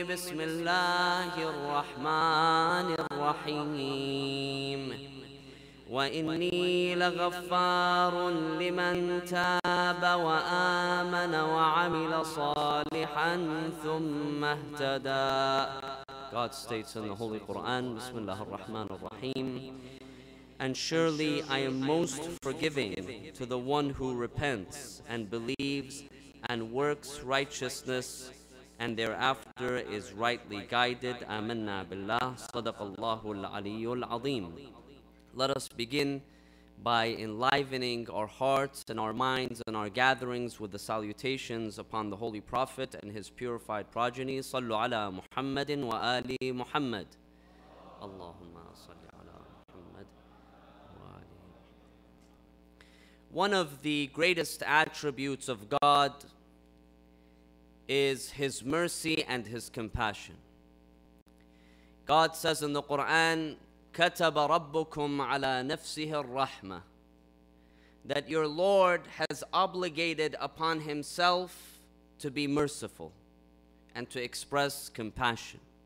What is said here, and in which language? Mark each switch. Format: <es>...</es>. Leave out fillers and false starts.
<ar>بسم الله الرحمن الرحيم. وإني لغفار لمن تاب وآمن وعمل صالحا ثم اهتدى.</ar> <en>God states in the Holy Quran,</en> <ar>بسم الله الرحمن الرحيم.</ar> <en>And surely I am most forgiving to the one who repents and believes and works righteousness and thereafter is rightly guided.</en> <ar>آمنا بالله صدق الله العلي العظيم.</ar> <en>Let us begin by enlivening our hearts and our minds and our gatherings with the salutations upon the Holy Prophet and his purified progeny.</en> <ar>صلوا على محمد وآل محمد. اللهم صل على محمد وآل محمد.</ar> <en>One of the greatest attributes of God is His mercy and His compassion. God says in the Quran,</en> <ar>كَتَبَ رَبُّكُمْ عَلَى نَفْسِهِ الرَّحْمَةِ,</ar> <en>that your Lord has obligated upon Himself to be merciful and to express compassion.</en>